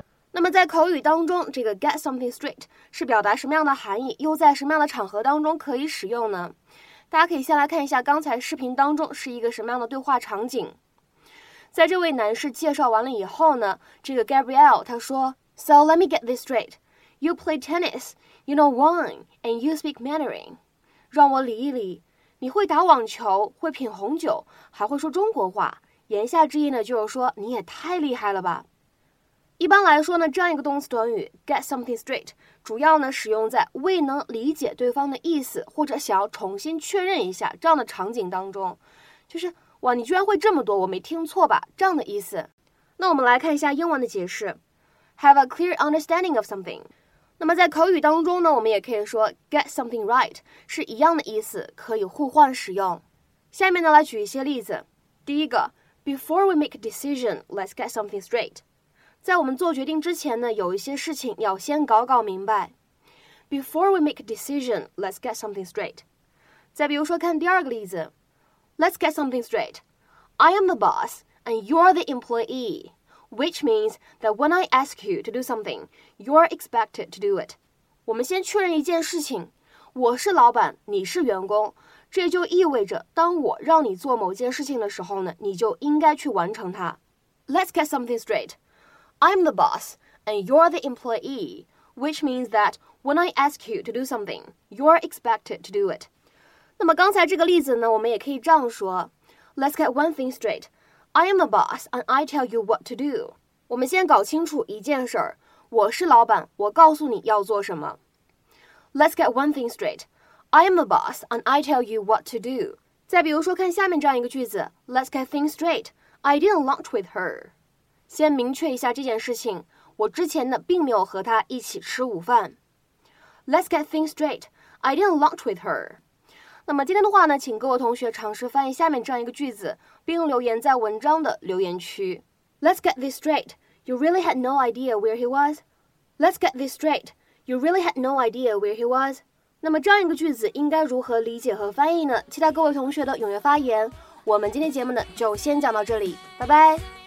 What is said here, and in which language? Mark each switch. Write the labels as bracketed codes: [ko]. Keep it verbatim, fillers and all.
[zh] 那么在口语当中，这个 get something straight 是表达什么样的含义，又在什么样的场合当中可以使用呢？大家可以先来看一下刚才视频当中是一个什么样的对话场景。在这位男士介绍完了以后呢，这个 Gabrielle 他说 [en] So let me get this straight. You play tennis, you know wine, and you speak Mandarin. [zh] 让我理一理，你会打网球，会品红酒，还会说中国话。言下之意呢，就是说你也太厉害了吧。一般来说呢，这样一个动词短语 get something straight 主要呢使用在未能理解对方的意思或者想要重新确认一下这样的场景当中，就是哇你居然会这么多，我没听错吧，这样的意思。那我们来看一下英文的解释 [en] have a clear understanding of something。 [zh] 那么在口语当中呢，我们也可以说 [en] get something right [zh] 是一样的意思，可以互换使用。下面呢来举一些例子。第一个 [en] before we make a decision, let's get something straight。 [zh] 在我们做决定之前呢，有一些事情要先搞搞明白。 [en] Before we make a decision, let's get something straight. [zh] 再比如说看第二个例子 [en] Let's get something straight. I am the boss and you're the employee, which means that when I ask you to do something, you're expected to do it. [zh] 我们先确认一件事情，我是老板，你是员工，这就意味着当我让你做某件事情的时候呢，你就应该去完成它。 [en] Let's get something straight. I'm the boss, and you're the employee, which means that when I ask you to do something, you're expected to do it. [zh] 那么刚才这个例子呢，我们也可以这样说 [en] Let's get one thing straight. I am the boss, and I tell you what to do. [zh] 我们先搞清楚一件事儿，我是老板，我告诉你要做什么。 [en] Let's get one thing straight. I am the boss, and I tell you what to do. [zh] 再比如说看下面这样一个句子 [en] Let's get things straight. I didn't lunch with her. [zh] 先明确一下这件事情，我之前呢并没有和她一起吃午饭。 [en] Let's get things straight. I didn't lunch with her. [zh] 那么今天的话呢，请各位同学尝试翻译下面这样一个句子，并留言在文章的留言区。 [en] Let's get this straight. You really had no idea where he was. Let's get this straight. You really had no idea where he was. [zh] 那么这样一个句子应该如何理解和翻译呢？期待各位同学的踊跃发言。我们今天节目呢就先讲到这里，拜拜。